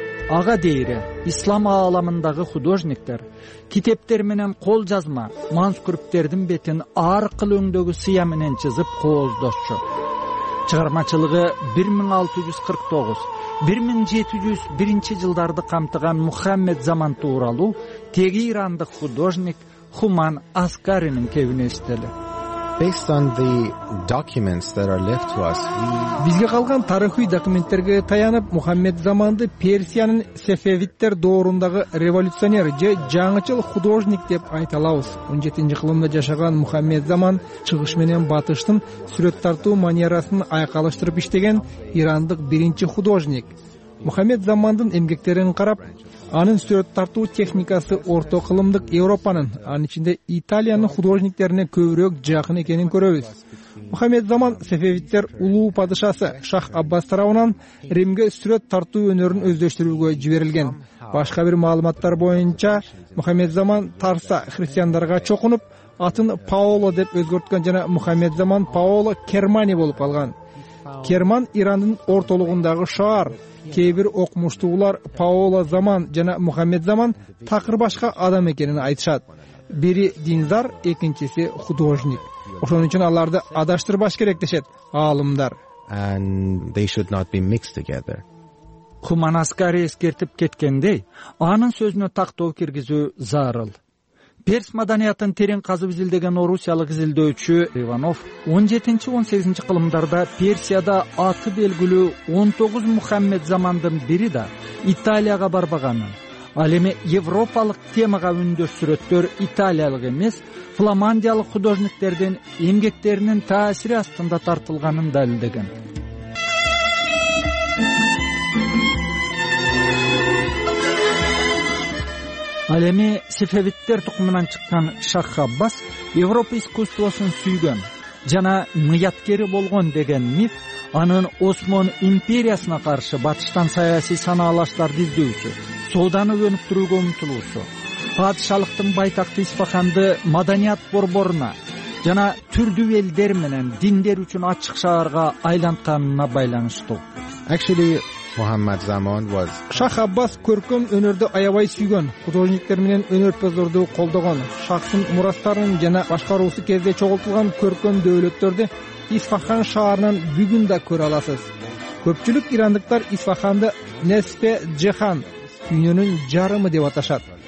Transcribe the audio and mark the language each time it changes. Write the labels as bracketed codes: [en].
[ky] Ага дейри ислам ааламындагы художниктер китептер менен кол жазма манускрипттердин бетин ар кыл өңдөгү сыя менен чызып кооздошчу. Чыгармачылыгы 1649-1701 жылдарды камтыган Мухаммед Заман тууралуу теги ирандык художник Хуман Аскаринин кебине иштели. [en] Based on the documents that are left to us, [ky] бизге калган тарыхый документтерге таянып, Мухаммед Заманды Персиянын Сефевиттер доорундагы революционер же жаңычыл художник деп айта алабыз. 17-чи кылымда жашаган Мухаммед Заман чыгыш менен батыштын сүрөт тартуу манерасын айкалыштырып иштеген ирандык биринчи художник. Мухаммед Замандын эмгектерин карап, анын сүрөт тартуу техникасы орто кылымдык Европанын, анын ичинде Италиянын художниктерине көбүрөөк жакын экенин көрөбүз. Мухаммед Заман Сефевиттер улуу падышасы Шах Аббас тарабынан Римге сүрөт тартуу өнөрүн өздөштүрүүгө жиберилген. Башка бир маалыматтар боюнча, Мухаммед Заман Тарса христиандарга чокунуп, атын Паоло деп өзгөрткөн жана Мухаммед Заман Паоло Кермани болуп калган. Керман Ирандын ортолугундагы шаар. Кээ бир окумуштуулар Паоло Заман жана Мухаммед Заман такыр башка адам экенин айтышат. Бири динзар, экинчиси художник. Ошон үчүн аларды адаштырбаш керек дешет аалымдар. [en] And they should not be mixed together. [ky] Хуман Аскари эскертип кеткендей, анын сөзүнө тактоо киргизүү зарыл. Перс маданиятын терең казып изилдеген орусиялык изилдөөчү Иванов 17-18 кылымдарда Персияда аты белгилүү 19 Мухаммед Замандын бири да Италияга барбаганын, Ал эми европалык темага үндөс сүрөттөр италиялык эмес, фламандиялык художниктердин эмгектеринин таасири астында тартылганын далилдеген. Ал эми сефевиттер тукумунан чыккан Шах Аббас Европа искусствосун сүйгөн жана мыяткери болгон деген миф анын Осман империясына каршы батыштан саясий санаалаштарды издөөсү, сооданы өнүктүрүүгө умтулуусу, падышалыктын байтакты Исфаханды маданият борборуна жана түрдүү элдер менен диндер үчүн ачык шаарга айлантканына байланыштуу. [en] Actually, Muhammad Zaman was [ky] Шах Аббас көркөм өнөрдү аябай сүйгөн, художниктер менен өнөрпаздарды колдогон, шахтын мурастарын жана башкаруусу кезде чогултулган көркөм дөөлөттөрдү Исфахан шаарынан бүгүн да көрө аласыз. Көпчүлүк ирандыктар Исфаханды Несфе Джехан, дүйнөнүн жарымы деп аташат.